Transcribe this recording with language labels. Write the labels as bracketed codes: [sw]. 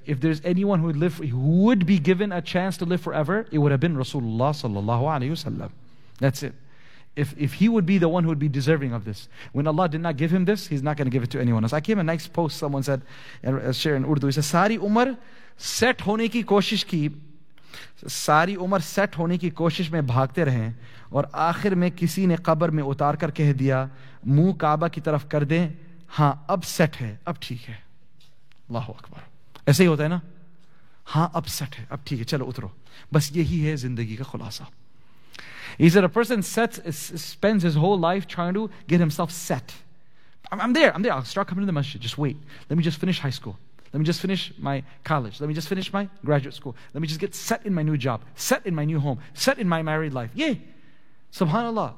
[en] If there's anyone who would be given a chance to live forever, it would have been Rasulullah sallallahu alayhi wasallam. That's it. If he would be the one who would be deserving of this. When Allah did not give him this, he's not going to give it to anyone else. I came a nice post, someone said, share in Urdu. He said, [ur] Sari Umar set hone ki koshish ki. ساری عمر set ہونے کی کوشش میں بھاگتے رہے. اور آخر میں کسی نے قبر میں اتار کر کہہ دیا، منہ کعبہ کی طرف کر دیں. ہاں، اب سیٹ ہے، اب ٹھیک ہے. [ar] Allahu Akbar. [ur] ایسے ہی ہوتا ہے نا? ہاں، اب سیٹ ہے، اب ٹھیک ہے، چلو اترو. بس یہی ہے زندگی کا خلاصہ. [en] He said, a person spends his whole life trying to get himself set. I'm there. I'll start coming to the masjid. Just wait. Let me just finish high school. Let me just finish my college. Let me just finish my graduate school. Let me just get set in my new job. Set in my new home. Set in my married life. Yay! Subhanallah.